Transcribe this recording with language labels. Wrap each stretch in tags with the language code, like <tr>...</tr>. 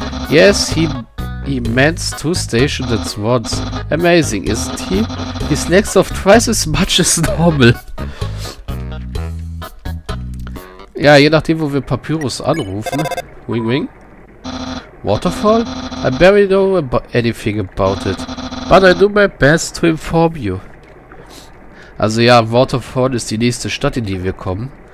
<en>Yes, he mans 2 stations at once. Amazing, isn't he? He snacks off twice as much as normal.</en> <de>Ja, je nachdem, wo wir Papyrus anrufen. Wing, wing.</de> <en>Waterfall? I barely know anything about it. But I do my best to inform you.</en> <de>Also ja, Waterfall ist die nächste Stadt, in die wir kommen.</de>